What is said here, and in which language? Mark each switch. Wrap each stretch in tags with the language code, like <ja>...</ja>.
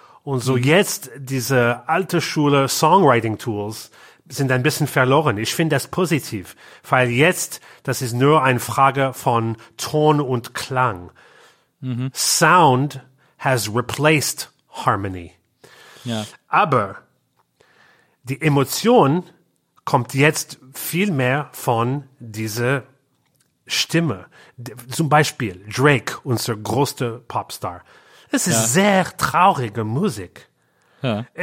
<de>Und so jetzt diese alte Schule Songwriting Tools sind ein bisschen verloren. Ich finde das positiv, weil jetzt, das ist nur eine Frage von Ton und Klang. Mhm.</de> <en>Sound has replaced harmony.</en> <de>Ja. Aber die Emotion kommt jetzt viel mehr von dieser Stimme. Zum Beispiel Drake, unser größter Popstar. Es ist sehr traurige Musik. Ja.</de>